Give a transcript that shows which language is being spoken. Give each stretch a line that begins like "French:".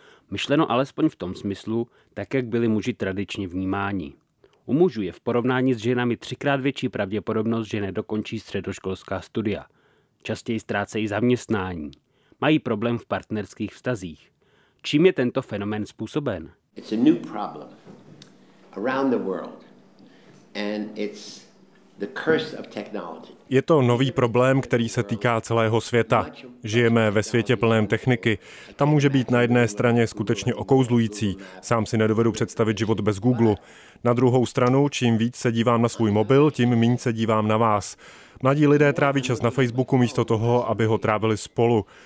Czech: Myšleno alespoň v tom smyslu, tak jak byli muži tradičně vnímáni. U mužů je v porovnání s ženami 3x větší pravděpodobnost, že nedokončí středoškolská studia. Častěji ztrácejí zaměstnání. Mají problém v partnerských vztazích. Čím je tento fenomén způsoben?
English: It's a new problem around the world and it's the curse of technology.
Czech: Je to nový problém, který se týká celého světa. Žijeme ve světě plném techniky. Ta může být na jedné straně skutečně okouzlující. Sám si nedovedu představit život bez Google. Na druhou stranu, čím víc se dívám na svůj mobil, tím míň se dívám na vás. Mladí lidé tráví čas na Facebooku místo toho, aby ho trávili spolu.